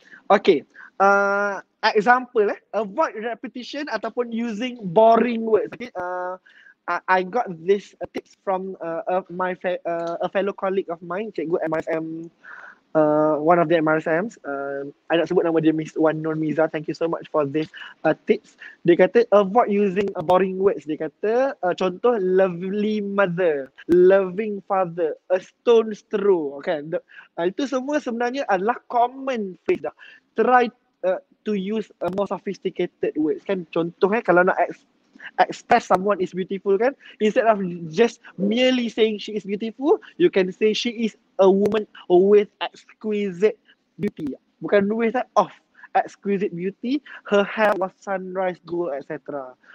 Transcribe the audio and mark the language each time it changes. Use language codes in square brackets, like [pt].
[en] Okay. Example, avoid repetition [ms] ataupun [en] using boring words, okay? I got this tips from a fellow colleague of mine, Cikgu MRSM, one of the MRSMs. [ms] I nak sebut nama dia Miss Wan Nur Miza. [en] Thank you so much for this tips. [ms] Dia kata [en] avoid using boring words. [ms] Dia kata contoh [en] lovely mother, loving father, a stone's throw. [ms] Okay, itu semua sebenarnya adalah [en] common phrase [ms] dah. [en] Try to use a more sophisticated words. [ms] Kan contoh kalau nak [en] express someone is beautiful [ms] kan, [en] instead of just merely saying she is beautiful, you can say she is a woman with exquisite beauty, [ms] bukan [en] with that, of exquisite beauty, her hair was sunrise gold, etc.